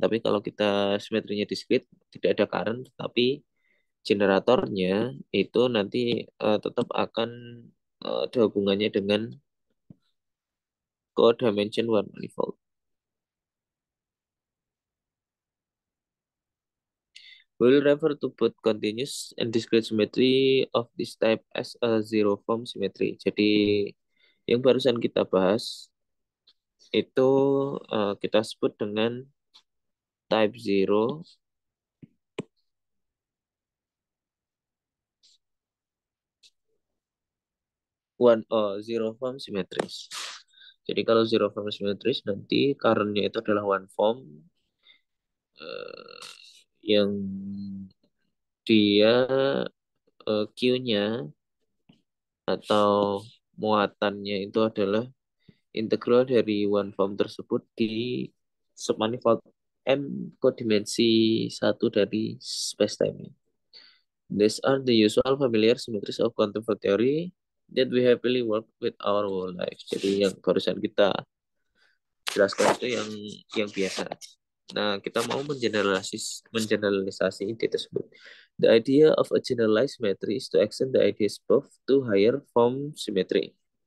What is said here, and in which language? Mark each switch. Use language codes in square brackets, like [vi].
[id] Tapi kalau kita simetrinya discrete, tidak ada current, tetapi generatornya itu nanti tetap akan ada hubungannya dengan co-dimension one manifold. [en] We will refer to both continuous and discrete symmetry of this type as a zero form symmetry. [id] Jadi yang barusan kita bahas itu kita sebut dengan type zero one zero form symmetries. Jadi kalau zero form symmetries nanti current-nya itu adalah one form yang dia Q-nya atau muatannya itu adalah integral dari one form tersebut di submanifold M kodimensi satu dari spacetime. [en] These are the usual familiar symmetries of quantum field theory that we happily work with our whole life. [id] Jadi yang barusan kita jelaskan itu yang biasa. Nah, kita mau mengeneralisasi ide tersebut. [en] The idea of a generalized symmetry is to extend the ideas above to higher form symmetry.